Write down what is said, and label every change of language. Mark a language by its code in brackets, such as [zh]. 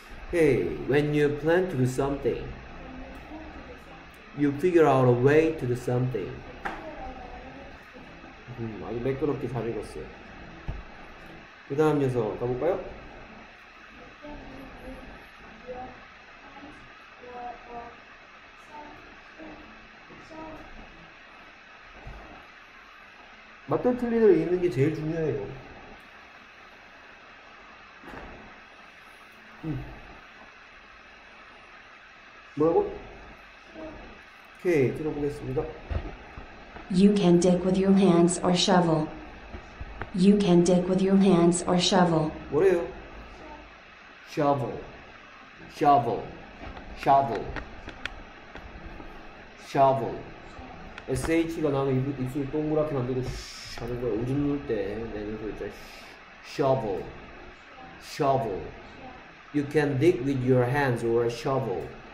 [en] Hey, when you plan to do something, you figure out a way to do something. [ko] 아주 매끄럽게 잘 읽었어요. 그 다음 녀석 가볼까요? 맞든 틀리든 읽는 게 제일 중요해요. 뭐라고? 오케이, 들어보겠습니다. [en] You can dig with your hands or shovel. You can dig with your hands or shovel. [ko] 뭐래요? [en] Shovel. Shovel. Shovel. Shovel. [ko] SH가 나는 입술 동그랗게 만들고 쉬 하는 거야. 오줌 누를 때 내는 소리 있잖아. [en] Shovel. Shovel. You can dig with your hands or a shovel.